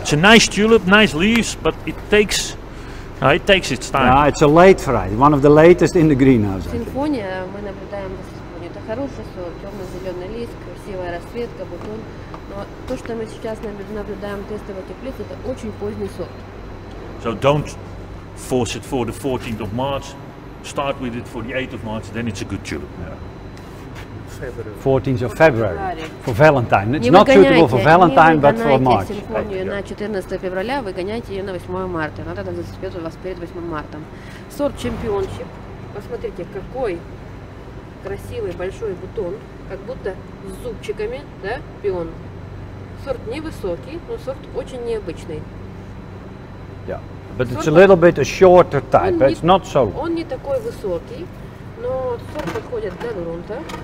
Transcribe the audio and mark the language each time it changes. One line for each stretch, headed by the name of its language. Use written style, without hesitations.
English: It's a nice tulip, nice leaves, but it takes its time. Yeah, it's a late variety, one of the latest in the greenhouse.
Russian: Symphony, мы наблюдаем за Symphony. Это хороший сорт, темно-зеленый лист, красивая расцветка, бутон. То, что мы сейчас наблюдаем тестовые теплицы, это очень поздний сорт.
English: So don't force it for the 14th of March. Start with it for the 8th of March, then it's a good tulip. Yeah. 14th of February. For Valentine. It's not suitable for Valentine, but for March.
Russian: Не выгоняйте симфонию на 14 февраля, выгоняйте ее на 8 марта. Она тогда зацепит у вас перед 8 марта. Сорт Championship. Посмотрите, какой красивый большой бутон. Как будто с зубчиками, да, пион. Сорт невысокий, но сорт очень необычный.
English: Yeah, but сорт, it's a little bit a shorter type, but it's not so.
Russian: Он не такой высокий, но сорт подходит для грунта.